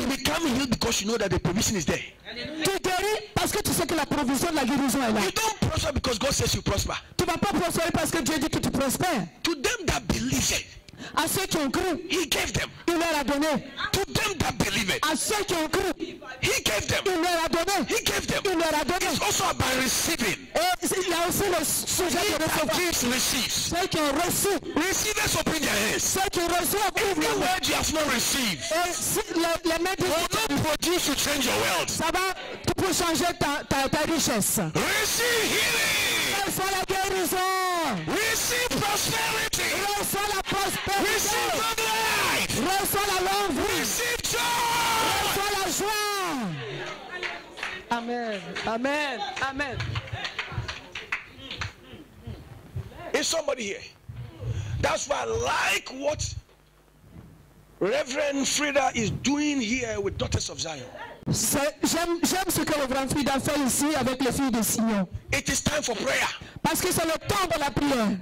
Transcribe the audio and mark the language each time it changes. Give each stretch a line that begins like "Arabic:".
English: You become healed because you know that the provision is there.
French: Tu guéris parce que tu sais que la provision de la guérison est là.
English: You don't prosper because God says you prosper.
French: Tu ne vas pas prospérer parce que Dieu dit que tu prospères.
English: To them that believe it.
French: À ceux qui ont cru,
English: he gave them.
French: Il leur a donné.
English: To them that believed,
French: à ceux qui ont cru,
English: he gave them.
French: Il leur a donné.
English: He gave them.
French: Il leur a donné.
English: It's also about receiving.
French: Et il y a aussi le sujet de recevoir.
English: Receives.
French: Ceux qui ont reçu.
English: Receivers open their hands.
French: Ceux qui ont reçu.
English: If your word has not received,
French: si le
English: will not produce to change your wealth.
French: Ça va, tu peux changer ta richesse.
English: Receive healing.
French: Reçois la guérison.
English: Receive prosperity.
French: Reçois la prospérité.
English: Receive the life.
French: Reçois la longue vie.
English: Receive joy.
French: Reçois la joie.
English: Amen. Amen. Amen. Is somebody here? That's why I like what Reverend Frida is doing here with Daughters of Zion.
French: J'aime ce que le grand Frida fait ici avec les filles de Sion.
English: It is time for prayer.
French: Parce que c'est le temps de la prière.